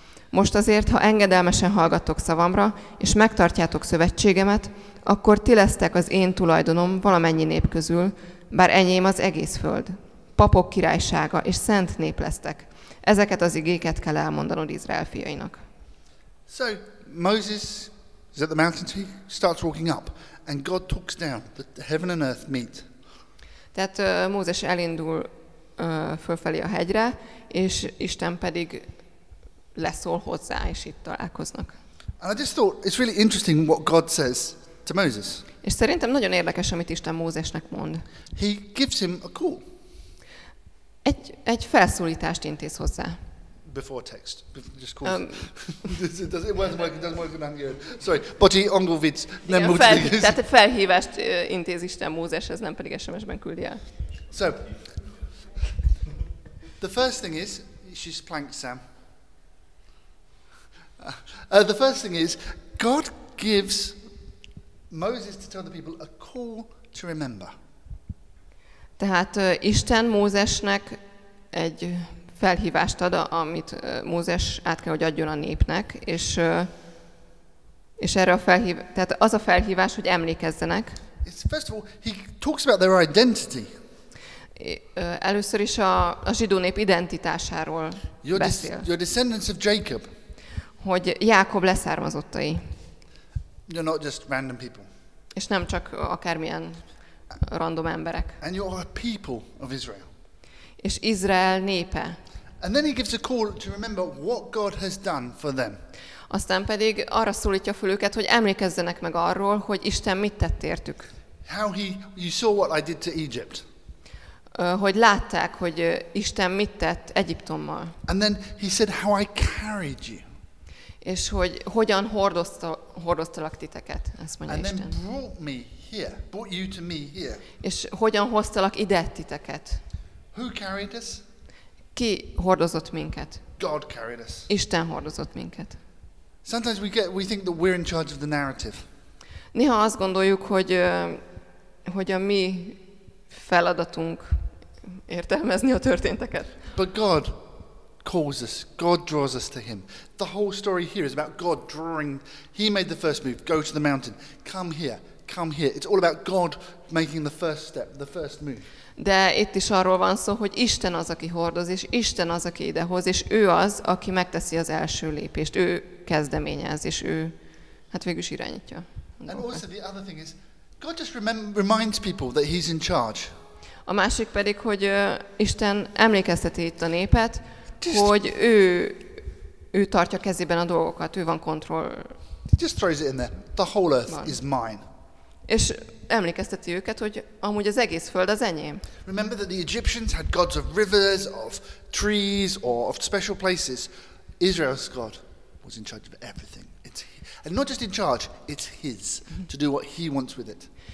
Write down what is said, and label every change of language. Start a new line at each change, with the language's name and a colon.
Hungarian: Most azért, ha engedelmesen hallgattok szavamra, és megtartjátok szövetségemet, akkor ti lesztek az én tulajdonom valamennyi nép közül, bár enyém az egész föld. Papok királysága és szent nép lesztek. Ezeket az igéket kell elmondanod Izrael fiainak.
English: So Moses is at the mountain, he starts walking up, and God talks down, that heaven and earth meet.
Hungarian: Tehát Mózes elindul fölfelé a hegyre, és Isten pedig leszól hozzá, és itt találkoznak.
English: And I just thought it's really interesting what God says to Moses.
Hungarian: És szerintem nagyon érdekes, amit Isten Mózesnek mond.
English: He gives him a call.
Hungarian: Egy felszólítást intéz hozzá.
English: Before text, just cause. It doesn't work in Hungarian.
Hungarian: Sorry, Bocsi, Angolvics, nem mutatja. Tehát egy felhívást intéz Isten Mózeshez, nem pedig SMS-ben küldi el.
English: So, the first thing is, she's planked Sam. The first thing is, God gives Moses to tell the people a call to remember.
Hungarian: Tehát Isten Mózesnek egy felhívást ad, amit Mózes át kell, hogy adjon a népnek, és erre a felhívás, tehát az a felhívás, hogy emlékezzenek.
English: First of all, he talks about their identity.
Hungarian: Először is a zsidó nép identitásáról beszél.
English: Your descendants of Jacob.
Hungarian: Hogy Jákob leszármazottai.
English: You're not just random people.
Hungarian: És nem csak akármilyen random emberek.
English: And you're a people of Israel.
Hungarian: És Izrael népe.
English: And then he gives a call to remember what God has done for them.
Hungarian: Aztán pedig arra szólítja föl őket, hogy emlékezzenek meg arról, hogy Isten mit tett értük.
English: How he, you saw what I did to Egypt.
Hungarian: Hogy látták, hogy Isten mit tett Egyiptommal.
English: And then he said how I carried you.
Hungarian: És hogy hogyan hordoztalak titeket, ezt mondja
English: and
Hungarian: Isten.
English: And then brought me here, brought you to me here.
Hungarian: És hogyan hoztalak ide titeket.
English: Who carried us?
Hungarian: Ki hordozott minket?
English: God carried us.
Hungarian: Isten hordozott minket.
English: Sometimes we think that we're in charge of the narrative.
Hungarian: Néha azt gondoljuk, hogy a mi feladatunk értelmezni a történteket.
English: But God calls us. God draws us to him. The whole story here is about God drawing. He made the first move. Go to the mountain. Come here. It's all about God making the first step, the first move.
Hungarian: De itt is arról van szó, hogy Isten az, aki hordoz, és Isten az, aki idehoz, és ő az, aki megteszi az első lépést. Ő kezdeményez, és ő hát végül is irányítja.
English: And also the other thing is, God just reminds people that he's in charge.
Hungarian: A másik pedig, hogy Isten emlékezteti itt a népet, just hogy ő tartja kezében a dolgokat, ő van kontroll.
English: He just throws it in there. The whole earth van. Is mine.
Hungarian: És emlékezteti őket, hogy amúgy az egész föld az enyém.
English: Remember that the Egyptians had gods of rivers, of trees, or of special places. Israel's God was in charge of everything. It's and not just in charge, it's his to do what he wants with it.